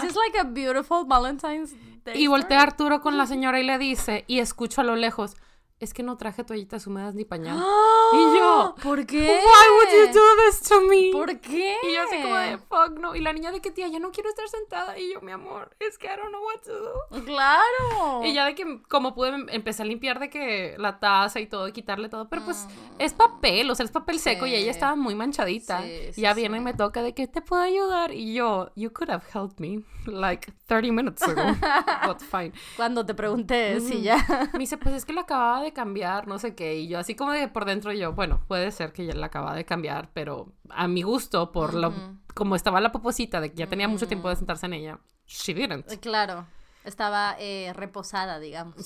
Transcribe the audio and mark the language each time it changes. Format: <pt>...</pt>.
<en>This is like a beautiful Valentine's Day.</en> <es>Y voltea Arturo con la señora y le dice, y escucho a lo lejos, es que no traje toallitas húmedas ni pañal. Y yo, ¿por qué?</es> <en>Why would you do this to me?</en> <es>¿Por qué? Y yo así como de,</es> <en>fuck no.</en> <es>Y la niña de que, tía, ya no quiero estar sentada. Y yo, mi amor, es que</es> <en>I don't know what to do.</en> <es>¡Claro! Y ya de que, como pude, empecé a limpiar de que la taza y todo, y quitarle todo. Pero pues, es papel, o sea, es papel seco y ella estaba muy manchadita. Sí, ya viene y me toca de que, ¿te puedo ayudar? Y yo,</es> <en>you could have helped me, like, 30 minutes ago. But fine.</en> <es>Cuando te pregunté si ya... Me dice, pues es que la acababa de cambiar, no sé qué, y yo así como de por dentro yo, bueno, puede ser que ya la acaba de cambiar, pero a mi gusto por lo, como estaba la poposita de que ya tenía mucho tiempo de sentarse en ella,</es> <en>she didn't.</en> <es>Claro, estaba reposada, digamos.</es>